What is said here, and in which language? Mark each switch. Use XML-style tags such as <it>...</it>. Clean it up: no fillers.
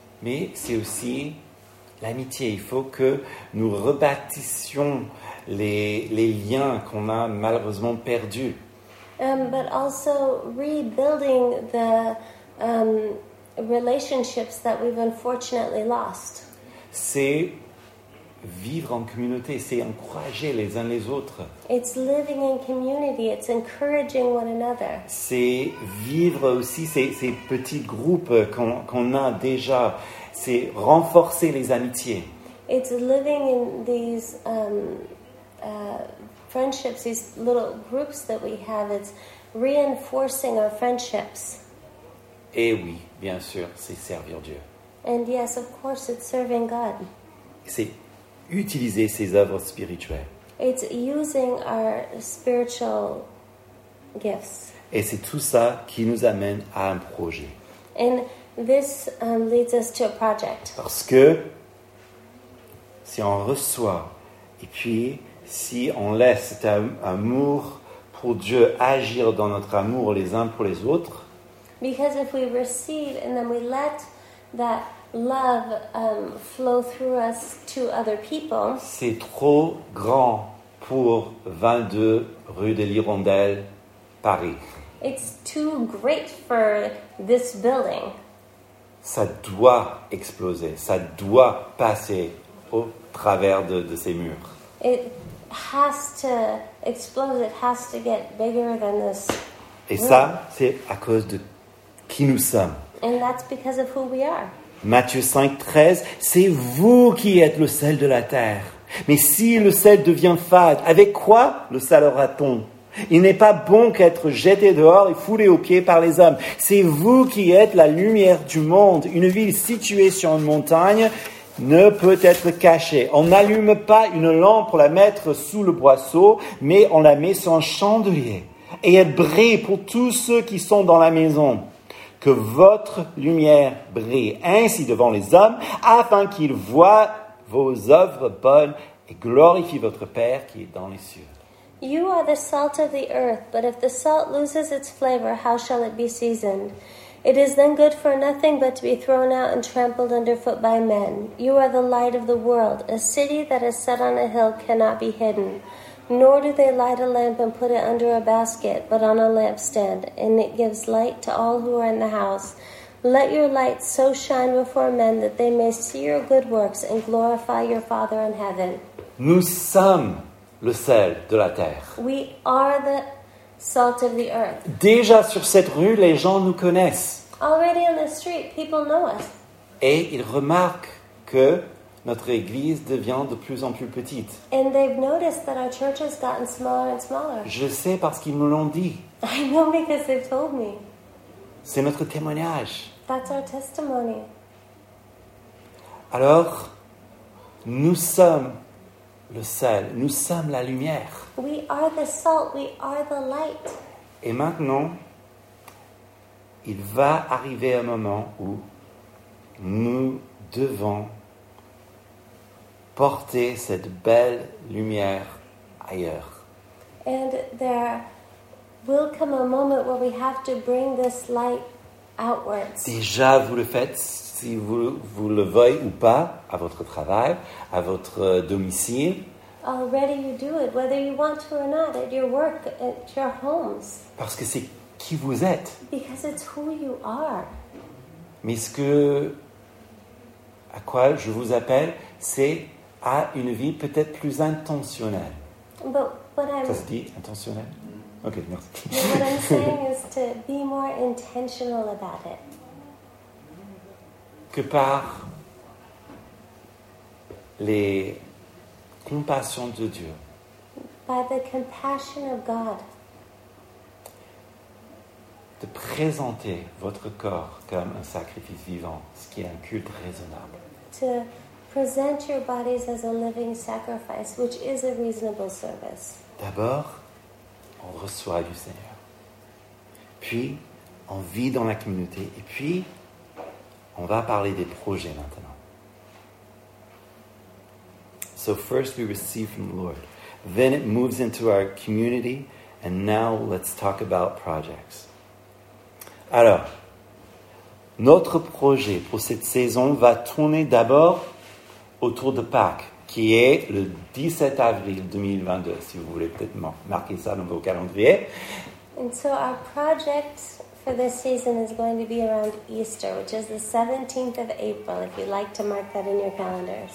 <fr>Mais c'est aussi l'amitié. Il faut que nous rebâtissions les liens qu'on a malheureusement perdus.</fr> <en>But also rebuilding the relationships that we've unfortunately lost.</en> <fr>C'est vivre en communauté, c'est encourager les uns les autres.</fr> <en>It's living in community, it's encouraging one another.</en> <fr>C'est vivre aussi ces petits groupes qu'on a déjà, c'est renforcer les amitiés.</fr> <en>It's living in these friendships, these little groups that we have, it's reinforcing our friendships.</en> <fr>Et oui, bien sûr, c'est servir Dieu.</fr> <en>And yes, of course, it's serving God.</en> <fr>C'est utiliser ses œuvres spirituelles.</fr> <en>It's using our spiritual gifts.</en> <fr>Et c'est tout ça qui nous amène à un projet.</fr> <en>And this leads us to a project.</en> <fr>Parce que si on reçoit et puis si on laisse cet amour pour Dieu agir dans notre amour les uns pour les autres.</fr> <en>Because if we receive and then we let that love flow through us to other people.</en> <fr>C'est trop grand pour 22 rue de l'Hirondelle, Paris.</fr> <en>It's too great for this building.</en> <fr>Ça doit exploser. Ça doit passer au travers de ces murs.</fr> <en>It has to explode. It has to get bigger than this.</en> <fr>Et ça, c'est à cause de qui nous sommes.</fr> <en>And that's because of who we are.</en> <fr>Matthieu 5, 13, c'est vous qui êtes le sel de la terre. Mais si le sel devient fade, avec quoi le salera-t-on? Il n'est pas bon qu'être jeté dehors et foulé aux pieds par les hommes. C'est vous qui êtes la lumière du monde. Une ville située sur une montagne ne peut être cachée. On n'allume pas une lampe pour la mettre sous le boisseau, mais on la met sur un chandelier. Et elle brille pour tous ceux qui sont dans la maison. Que votre lumière brille ainsi devant les hommes, afin qu'ils voient vos œuvres bonnes et glorifient votre Père qui est dans les cieux.</fr> <en>You are the salt of the earth, but if the salt loses its flavor, how shall it be seasoned? It is then good for nothing but to be thrown out and trampled underfoot by men. You are the light of the world. A city that is set on a hill cannot be hidden. Nor do they light a lamp and put it under a basket, but on a lampstand, and it gives light to all who are in the house. Let your light so shine before men that they may see your good works and glorify your Father in heaven.</en> <fr>Nous sommes le sel de la terre.</fr> <en>We are the salt of the earth.</en> <fr>Déjà sur cette rue, les gens nous connaissent.</fr> <en>Already on the street, people know us.</en> <fr>Et ils remarquent que notre église devient de plus en plus petite.</fr> <en>And they've noticed that our church has gotten smaller and smaller.</en> <fr>Je sais parce qu'ils me l'ont dit.</fr> <en>I know because they've told me.</en> <fr>C'est notre témoignage.</fr> <en>That's our testimony.</en> <fr>Alors, nous sommes le sel, nous sommes la lumière.</fr> <en>We are the salt, we are the light.</en> <fr>Et maintenant, il va arriver un moment où nous devons porter cette belle lumière ailleurs.</fr> <en>And there will come a moment where we have to bring this light outwards.</en> <fr>Déjà, vous le faites, si vous le voyez ou pas, à votre travail, à votre domicile.</fr> <en>Already you do it, whether you want to or not, at your work, at your homes.</en> <fr>Parce que c'est qui vous êtes.</fr> <en>Because it's who you are.</en> <fr>Mais ce que à quoi je vous appelle, c'est à une vie peut-être plus intentionnelle. Ça se dit intentionnelle? Ok, merci.</fr> <en>What I'm saying is to be more intentional about it.</en> <fr>Que par les compassions de Dieu.</fr> <en>By the compassion of God.</en> <fr>De présenter votre corps comme un sacrifice vivant, ce qui est un culte raisonnable.</fr> <en>to present your bodies as a living sacrifice, which is a reasonable service.</en> <fr>D'abord, on reçoit du Seigneur. Puis, on vit dans la communauté. Et puis, on va parler des projets maintenant.</fr> <en>So first we receive from the Lord. Then it moves into our community. And now let's talk about projects.</en> <fr>Alors, notre projet pour cette saison va tourner d'abord autour de Pâques, qui est le 17 avril 2022, si vous voulez peut-être marquer ça dans vos calendriers.</fr> <en>And so our project for this season is going to be around Easter, which is the 17th of April, if you'd like to mark that in your calendars.</en>